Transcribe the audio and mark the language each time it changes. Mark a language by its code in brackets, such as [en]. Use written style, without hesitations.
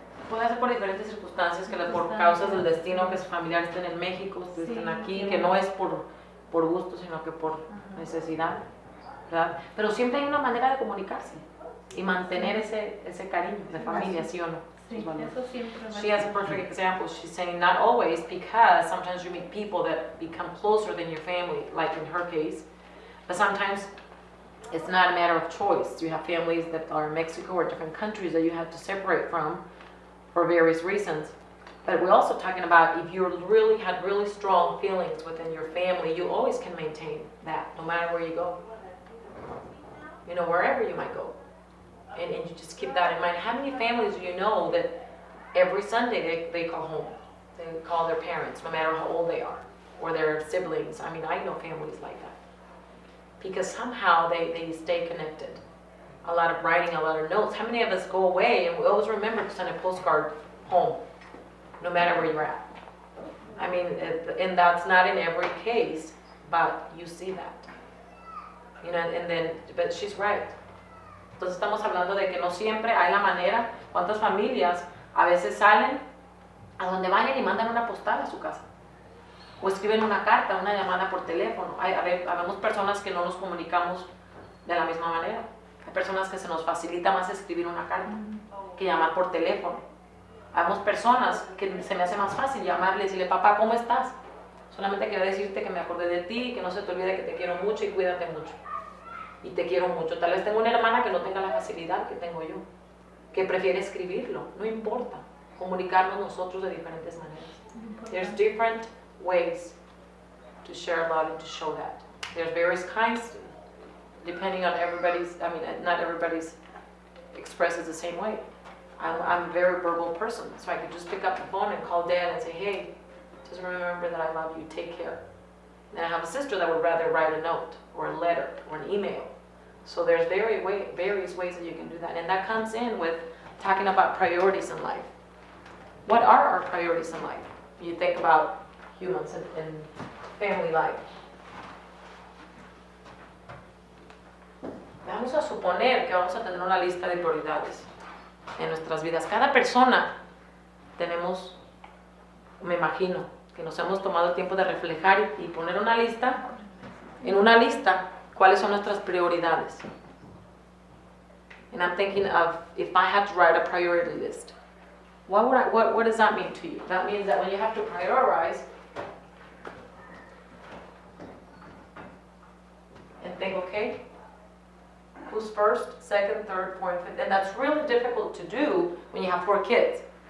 [es] Puede ser por diferentes circunstancias, que por causas del destino, que su familiar esté en México, estén aquí, que no es por gusto, sino que por necesidad, ¿verdad? Pero siempre hay una manera de comunicarse y mantener ese cariño de familia, ¿sí o no? Sí, eso siempre. [en] She has a perfect example. She's saying not always, because sometimes you meet people that become closer than your family, like in her case. But sometimes it's not a matter of choice. You have families that are in Mexico or different countries that you have to separate from for various reasons. But we're also talking about if you really had really strong feelings within your family, you always can maintain that no matter where you go. you know, wherever you might go. And you just keep that in mind. How many families do you know that every Sunday they call home? They call their parents, no matter how old they are, or their siblings. I mean, I know families like that. Because somehow they stay connected. A lot of writing, a lot of notes. How many of us go away and we always remember to send a postcard home, no matter where you're at? I mean, and that's not in every case, but you see that. You know, and then, but she's right. [es] Entonces estamos hablando de que no siempre hay la manera. ¿Cuántas familias a veces salen a donde vayan y mandan una postal a su casa? O escriben una carta, una llamada por teléfono. Habemos personas que no nos comunicamos de la misma manera. Hay personas que se nos facilita más escribir una carta que llamar por teléfono. Habemos personas que se me hace más fácil llamarle y decirle, papá, ¿cómo estás? Solamente quería decirte que me acordé de ti, que no se te olvide que te quiero mucho y cuídate mucho. Y te quiero mucho. Tal vez tengo una hermana que no tenga la facilidad que tengo yo, que prefiere escribirlo. No importa. Comunicarnos nosotros de diferentes maneras. [en] There's different ways to share love and to show that. There's various kinds, depending on everybody's, I mean, not everybody's expresses the same way. I'm a very verbal person, so I could just pick up the phone and call Dan and say, hey, just remember that I love you, take care. And I have a sister that would rather write a note or a letter or an email. So there's various ways that you can do that. And that comes in with talking about priorities in life. What are our priorities in life? You think about humans and family life. [es] Vamos a suponer que vamos a tener una lista de prioridades en nuestras vidas. Cada persona tenemos, me imagino, que nos hemos tomado el tiempo de reflejar y poner una lista, en una lista, cuáles son nuestras prioridades. [en] And I'm thinking of, if I had to write a priority list, what does that mean to you? That means that when you have to prioritize, and think, okay, who's first, second, third, fourth, fifth, and that's really difficult to do when you have four kids.